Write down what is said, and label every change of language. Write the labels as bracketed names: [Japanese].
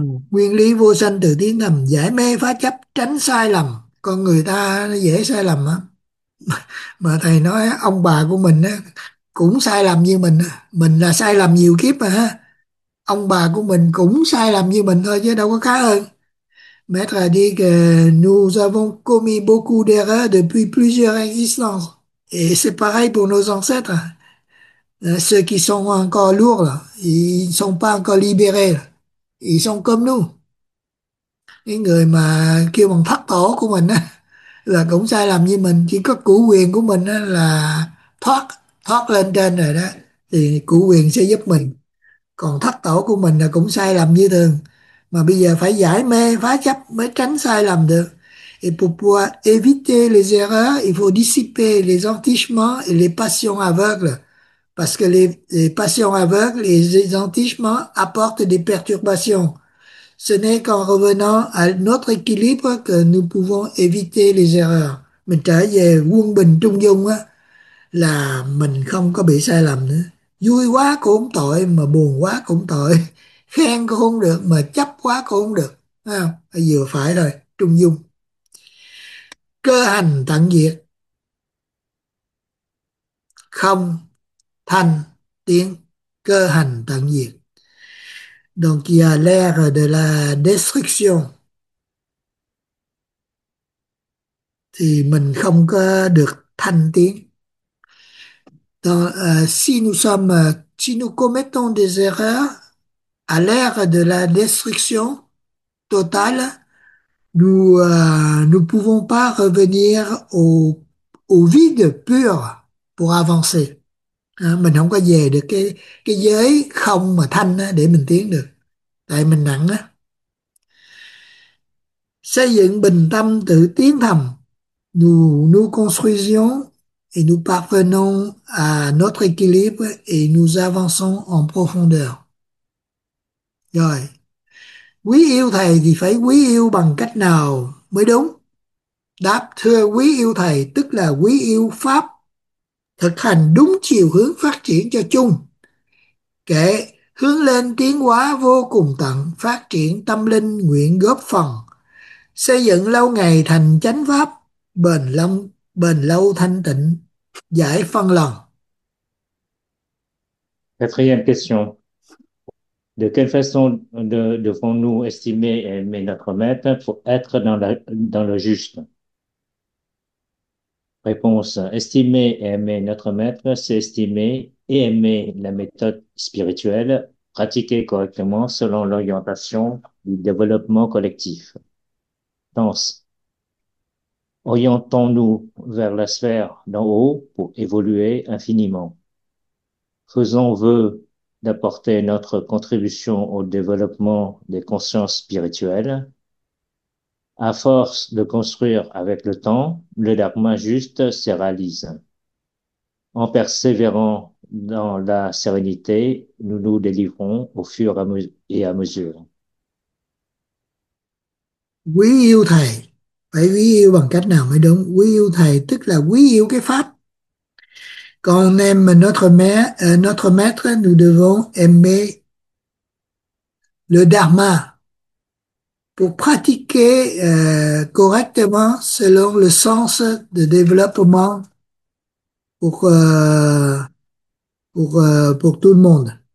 [Vietnamese] Nguyên lý vô sanh từ tiếng thầm, giải mê phá chấp tránh sai lầm, con người ta nó dễ sai lầm á, mà thầy nói ông bà của mình á cũng sai lầm như mình là sai lầm nhiều kiếp mà ha, ông bà của mình cũng sai lầm như mình thôi chứ đâu có khá hơn. [French] Maître a dit que nous avons commis beaucoup d'erreurs depuis plusieurs existences. Et c'est pareil pour nos ancêtres. Ceux qui sont encore lourds, là, ils ne sont pas encore libérés. Là. Ils sont comme nous. [Vietnamese] Les người mà kêu bằng thất tổ của mình á, là cũng sai lầm như mình. Chỉ có cửu quyền của mình á, là thoát, thoát lên trên rồi đó. Thì cửu quyền sẽ giúp mình. Còn thất tổ của mình là cũng sai lầm như thường, mà bây giờ phải giải mê phá chấp mới tránh sai lầm được. [French] Et pour pouvoir éviter les erreurs, il faut dissiper les entichements et les passions aveugles. Parce que les passions aveugles, les entichements apportent des perturbations. Ce n'est qu'en revenant à notre équilibre que nous pouvons éviter les erreurs. [Vietnamese] Mình trở về quân bình trung dung á, là mình không có bị sai lầm nữa. Vui quá cũng không tội mà buồn quá cũng tội, khen cũng không được mà chấp quá cũng không được, phải không? Phải vừa phải thôi, trung dung. Cơ hành tận diệt, không thanh tiếng cơ hành tận diệt. [French] Donc il y a l'air de la destruction. [Vietnamese] Thì mình không có được thanh tiếng. [French] Si nous sommes, si nous commettons des erreurs à l'ère de la destruction totale, nous pouvons pas revenir au vide pur pour avancer. [Vietnamese] Hein, mình không có về được cái giới không mà thanh á, để mình tiến được. Tại mình nặng á. Xây dựng bình tâm tự tiến thầm. [French] Nous construisons et nous parvenons à notre équilibre et nous avançons en profondeur. [Vietnamese] Rồi. Quý yêu thầy thì phải quý yêu bằng cách nào mới đúng? Đáp: thưa quý yêu thầy, tức là quý yêu pháp, thực hành đúng chiều hướng phát triển cho chung. Kệ: hướng lên tiến hóa vô cùng tận, phát triển tâm linh nguyện góp phần xây dựng lâu ngày thành chánh pháp, bền lâu thanh tịnh giải phân lần. [French] Quatrième question. De quelle façon devons-nous estimer et aimer notre maître pour être dans le juste? Réponse. Estimer et aimer notre maître, c'est estimer et aimer la méthode spirituelle pratiquée correctement selon l'orientation du développement collectif. Sens. Orientons-nous vers la sphère d'en haut pour évoluer infiniment. Faisons vœu d'apporter notre contribution au développement des consciences spirituelles. À force de construire avec le temps, le dharma juste se réalise. En persévérant dans la sérénité, nous nous délivrons au fur et à mesure. [Vietnamese] Quý yêu thầy, phải quý yêu bằng cách nào mới đúng? Quý yêu thầy tức là quý yêu cái pháp. [French] Quand on aime notre maître, nous devons aimer le dharma pour pratiquer correctement selon le sens de développement pour tout le monde.